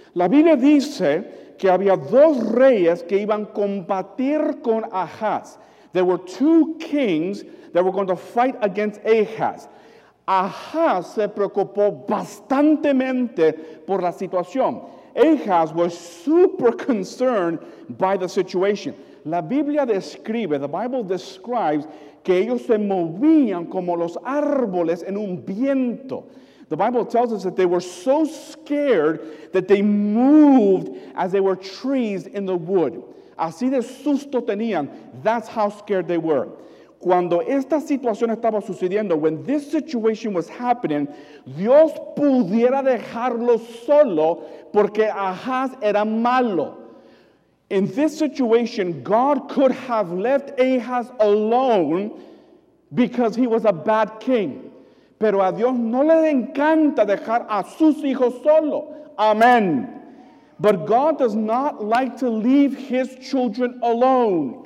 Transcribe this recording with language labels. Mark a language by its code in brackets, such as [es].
[es] La Biblia dice que había dos reyes que iban a combatir con Ahaz. [en] There were two kings that were going to fight against Ahaz. [es] Ahaz se preocupó bastantemente por la situación. [en] Ahaz was super concerned by the situation. [es] La Biblia describe, [en] the Bible describes, [es] que ellos se movían como los árboles en un viento. [en] The Bible tells us that they were so scared that they moved as they were trees in the wood. [es] Así de susto tenían. [en] That's how scared they were. [es] Cuando esta situación estaba sucediendo, [en] when this situation was happening, [es] Dios pudiera dejarlo solo porque Ahaz era malo. [en] In this situation, God could have left Ahaz alone because he was a bad king. [es] Pero a Dios no le encanta dejar a sus hijos solo. [en] Amen. But God does not like to leave his children alone.